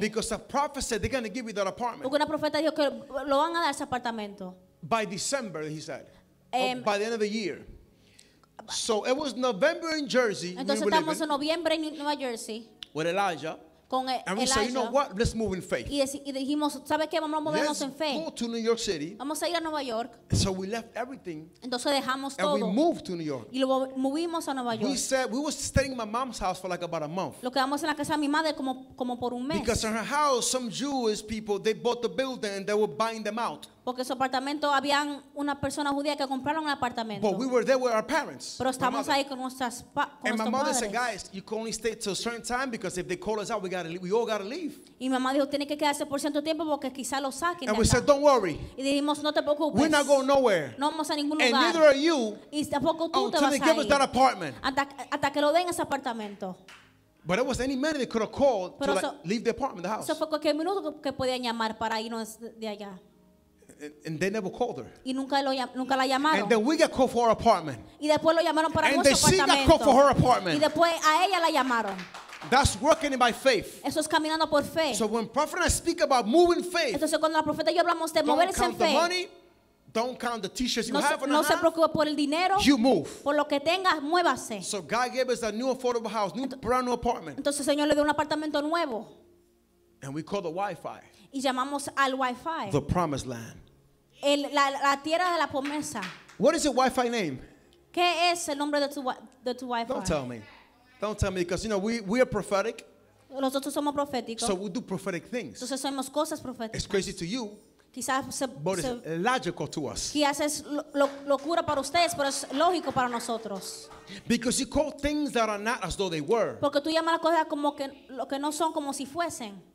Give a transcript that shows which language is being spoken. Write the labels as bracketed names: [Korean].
[English] Because the prophet said they're going to give you that apartment. [Spanish] Porque una profeta dijo que lo van a dar ese apartamento. [English] By December, he said. By the end of the year. So it was November in Jersey. [Spanish] Entonces estamos en noviembre en Nueva Jersey. [English] With Elijah. And we said, you know what? Let's move in faith. Let's go to New York City. [Spanish] Vamos a ir a Nueva York. [English] So we left everything. [Spanish] Entonces dejamos [English] and [Spanish] todo. [English] We moved to New York. [Spanish] Y lo movimos a Nueva York. [English] We said we were staying in my mom's house for like about a month. [Spanish] Lo quedamos en la casa de mi madre como por un mes. [English] Because in her house, some Jewish people they bought the building and they were buying them out. [Spanish] Porque su apartamento habían una persona judía que compraron un apartamento. [English] But we were there with our parents. [Spanish] Pero estamos ahí con nuestras padres. [English] And my mother said, guys, you can only stay till a certain time because if they call us out, we all gotta leave. [Spanish] Y mamá dijo, tiene que quedarse por cierto tiempo porque quizá lo saquen. [English] And we said, don't worry. [Spanish] Y dijimos, no te preocupes. [English] We're not going nowhere. [Spanish] No vamos a ningún lugar. [English] And neither are you. [Spanish] Y tampoco tú te vas a ir. [English] Until they give us that apartment. [Spanish] Hasta que lo den ese apartamento. [English] But it was any minute they could have called to leave the apartment, the house. [Spanish] Eso fue cualquier minuto que podían llamar para irnos de allá. [English] And they never called her. [Spanish] Y nunca la llamaron. [English] And then we got called for her apartment. [Spanish] Y después lo llamaron para [English] and then she got called for her apartment. [Spanish] Y después a ella la llamaron. [English] That's working by faith. [Spanish] Eso es caminando por fe. [English] So when prophet and I speak about moving faith, [Spanish] entonces cuando la profeta y yo hablamos de moverse [English] don't count [Spanish] en fe, [English] the money, don't count the t-shirts you [Spanish] no, [English] have [Spanish] no [English] or [Spanish] se preocupe por el dinero, [English] you move. [Spanish] Por lo que tengas, muévase. [English] So God gave us a new affordable house, new brand new apartment. [Spanish] Entonces el Señor le dio un apartamento nuevo. [English] And we call the Wi-Fi. [Spanish] Y llamamos al Wi-Fi. [English] The Promised Land. [Spanish] El, la, la tierra de la promesa. [English] What is your Wi-Fi name? [Spanish] ¿Qué es el nombre de tu Wi-Fi? [English] Don't tell me. Don't tell me, because you know we are prophetic. [Spanish] Nosotros somos proféticos. [English] So we do prophetic things. [Spanish] Entonces hacemos cosas proféticas. [English] It's crazy to you. [Spanish] Quizás se, [English] but [Spanish] se, [English] it's logical to us. [Spanish] Quizás es locura para ustedes, pero es lógico para nosotros. [English] Because you call things that are not as though they were. [Spanish] Porque tú llamas las cosas como que lo que no son como si fuesen.